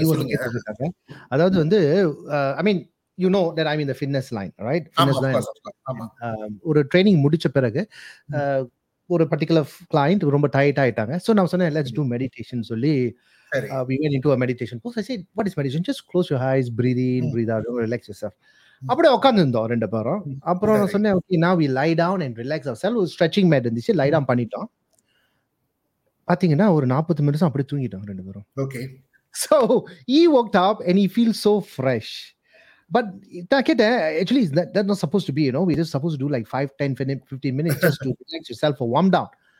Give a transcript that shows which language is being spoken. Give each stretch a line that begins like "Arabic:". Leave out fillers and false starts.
Tamil: நீங்கள் கேட்டிருக்காங்க, அதாவது வந்து
English: I mean you know that I mean the fitness line, right? Fitness line
Tamil: ஒரு ட்ரைனிங் முடித்த பிறகு ஒரு பர்டிகுலர் கிளைண்ட் ரொம்ப டயர்ட் ஆகிட்டாங்க.
English: so
Tamil: நான் சொன்னேன்,
English: let's do meditation
Tamil: சொல்லி
English: we went into a meditation course. I said, what is meditation? Just close your eyes, breathe in, breathe out, relax yourself.
Tamil: அப்படியே உட்காந்துருந்தோம் ரெண்டு பேரும். அப்புறம் நான் சொன்னேன்,
English: Okay now we lie down and relax our self.
Tamil: Stretching mat இருந்துச்சு, லை down பண்ணிட்டோம். பாத்தீங்கன்னா ஒரு 40 நிமிஷம் அப்படியே தூங்கிட்டோம் ரெண்டு பேரும்.
English: Okay, so he walked up and he feel so fresh. But
Tamil: நான் கேட்டேன்,
English: Actually is that not suppose to be, you know, we just suppose to do like 5-10-15 minutes just to relax your self for warm down.